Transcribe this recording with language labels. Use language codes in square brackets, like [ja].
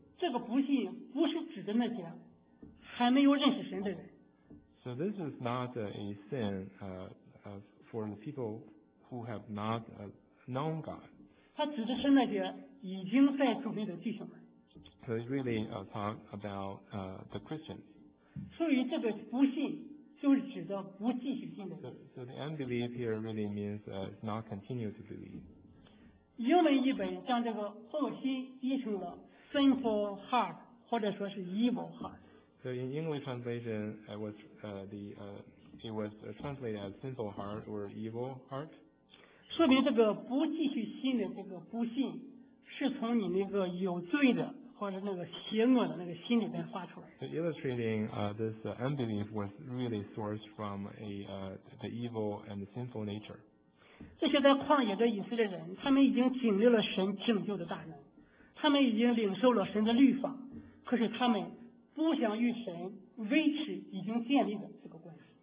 [zh] 这个不信不是指的那些还没有认识神的人。 [en] So this is not a sin for the people who have not known God. [zh] 他指的是那些已经在主内的弟兄们。 [en] So it's really talk about the Christians. [zh] 所以这个不信就是指的不继续信的人。 [en] So the unbelief here really means not continue to believe. [zh] 英文译本将这个恶心译成了 [en] Sinful heart, [zh] 或者说是 [en] evil heart. So in English translation, I was the it was translated as sinful heart or evil heart. [zh] 说明这个不继续信的这个不信，是从你那个有罪的或者那个邪恶的那个心里边发出来的。 [en] So illustrating this unbelief was really sourced from a the evil and the sinful nature. [zh] 这些在旷野的以色列人，他们已经经历了神拯救的大能，他们已经领受了神的律法，可是他们不想与神维持已经建立的这个关系。